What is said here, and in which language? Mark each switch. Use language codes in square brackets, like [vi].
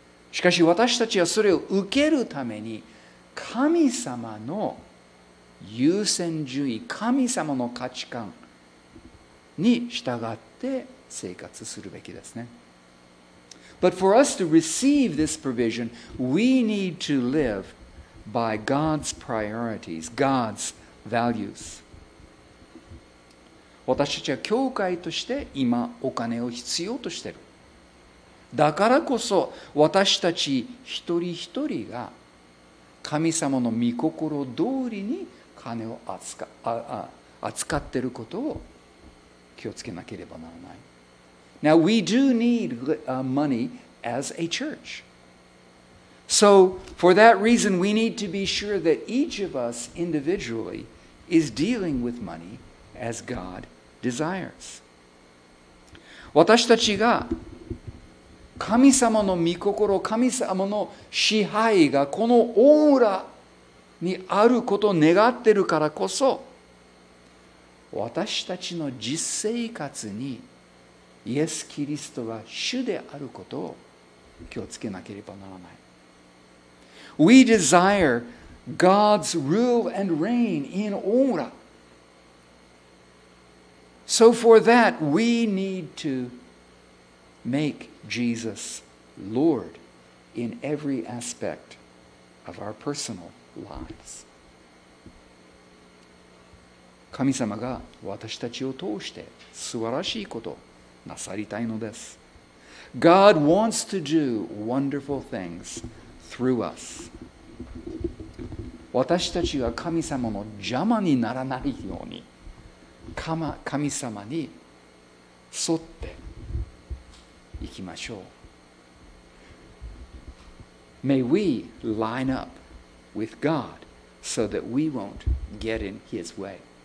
[ja] しかし私たちはそれを受けるために神様の優先順位、神様の価値観に従って生活するべきですね。 [en] But for us to receive this provision, we need to live by God's priorities, God's values. [ja] 私たちは教会として今お金を必要としている。だからこそ私たち一人一人が神様の御心通りに金を扱っていることを気をつけなければならない。 [en] Now, we do need money as a church. So, for that reason, we need to be sure that each of us individually is dealing with money as God desires. [ja] 私たちが神様の御心、神様の支配がこのオーラにあることを願っているからこそ、私たちの実生活にイエス・キリストが主であることを気をつけなければならない。 [en] We desire God's rule and reign in aura. So for that, we need to make Jesus Lord in every aspect of our personal lives. [ja] 神様が私たちを通して素晴らしいことなさりたいのです。 [en] God wants to do wonderful things through us. [ja] 私たちが神様の邪魔にならないように、神様に沿っていきましょう。 [en] May we line up with God so that we won't get in His way.